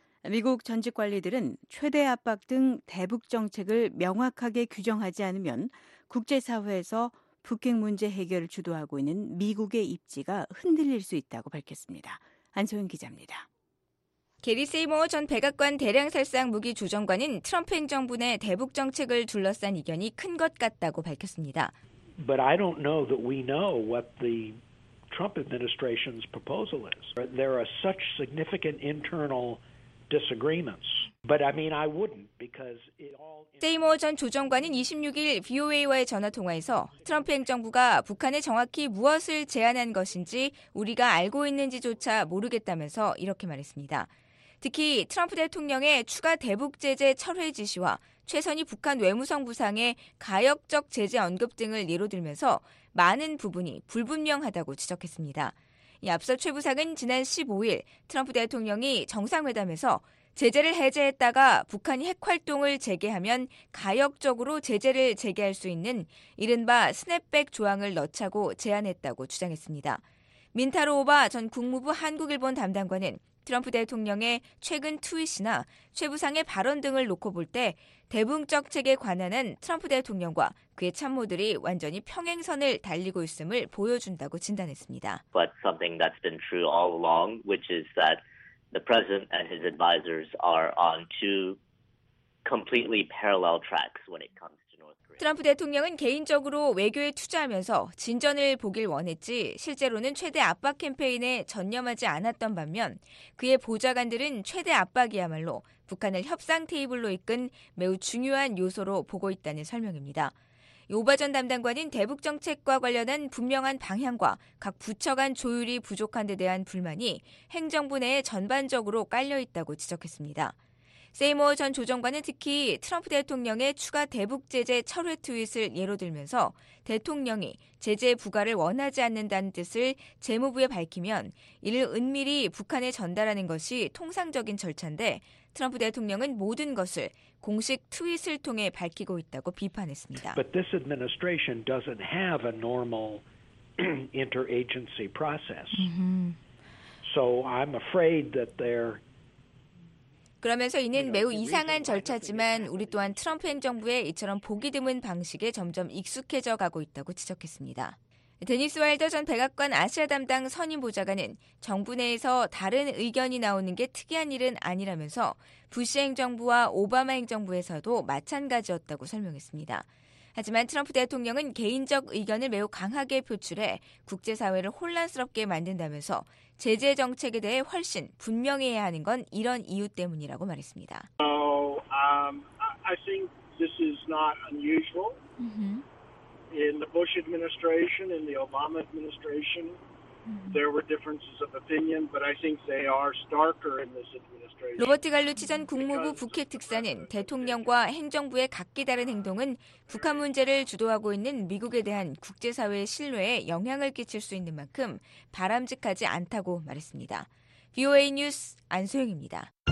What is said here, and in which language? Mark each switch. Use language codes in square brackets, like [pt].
[ko] 미국 전직 관리들은 최대 압박 등 대북 정책을 명확하게 규정하지 않으면 국제사회에서 북핵 문제 해결을 주도하고 있는 미국의 입지가 흔들릴 수 있다고 밝혔습니다. 안소윤 기자입니다. 게리 세이머 전 백악관 대량살상 무기 조정관은 트럼프 행정부 내 대북 정책을 둘러싼 이견이 큰 것 같다고 밝혔습니다. [en] But I don't know that we know what the Trump administration's proposal is. There are such significant internal disagreements. But I mean, I wouldn't because it all. [ko] 세이머 전 조정관은 26일 VOA와의 전화 통화에서 트럼프 행정부가 북한에 정확히 무엇을 제안한 것인지 우리가 알고 있는지조차 모르겠다면서 이렇게 말했습니다. 특히 트럼프 대통령의 추가 대북 제재 철회 지시와 최선이 북한 외무성 부상의 가역적 제재 언급 등을 예로 들면서 많은 부분이 불분명하다고 지적했습니다. 앞서 최 부상은 지난 15일 트럼프 대통령이 정상회담에서 제재를 해제했다가 북한이 핵활동을 재개하면 가역적으로 제재를 재개할 수 있는 이른바 스냅백 조항을 넣자고 제안했다고 주장했습니다. 민타로 오바 전 국무부 한국일본 담당관은 트럼프 대통령의 최근 트윗이나 최 부상의 발언 등을 놓고 볼 때 대북정책에 관한은 트럼프 대통령과 그의 참모들이 완전히 평행선을 달리고 있음을 보여준다고 진단했습니다. [en] But something that's been true all along, which is that the president and his advisors are on two completely parallel tracks when it comes. [ko] 트럼프 대통령은 개인적으로 외교에 투자하면서 진전을 보길 원했지 실제로는 최대 압박 캠페인에 전념하지 않았던 반면 그의 보좌관들은 최대 압박이야말로 북한을 협상 테이블로 이끈 매우 중요한 요소로 보고 있다는 설명입니다. 오바 전 담당관인 대북정책과 관련한 분명한 방향과 각 부처 간 조율이 부족한 데 대한 불만이 행정부 내에 전반적으로 깔려있다고 지적했습니다. 세이머 전 조정관은 특히 트럼프 대통령의 추가 대북 제재 철회 트윗을 예로 들면서 대통령이 제재 부과를 원하지 않는다는 뜻을 재무부에 밝히면 이를 은밀히 북한에 전달하는 것이 통상적인 절차인데 트럼프 대통령은 모든 것을 공식 트윗을 통해 밝히고 있다고 비판했습니다. [en] But this administration doesn't have a normal interagency process. So I'm afraid that they're [ko] 그러면서 이는 매우 이상한 절차지만 우리 또한 트럼프 행정부의 이처럼 보기 드문 방식에 점점 익숙해져 가고 있다고 지적했습니다. 데니스 와일더 전 백악관 아시아 담당 선임 보좌관은 정부 내에서 다른 의견이 나오는 게 특이한 일은 아니라면서 부시 행정부와 오바마 행정부에서도 마찬가지였다고 설명했습니다. 하지만 트럼프 대통령은 개인적 의견을 매우 강하게 표출해 국제사회를 혼란스럽게 만든다면서 제재 정책에 대해 훨씬 분명해야 하는 건 이런 이유 때문이라고 말했습니다. [en] So, I think this is not unusual. In the Bush administration, in the Obama administration, there were differences of opinion, but I think they are starker in this administration. [ko] 로버트 갈루치 전 국무부 북핵 특사는 대통령과 행정부의 각기 다른 행동은 북한 문제를 주도하고 있는 미국에 대한 국제사회의 신뢰에 영향을 끼칠 수 있는 만큼 바람직하지 않다고 말했습니다. VOA 뉴스 안소영입니다.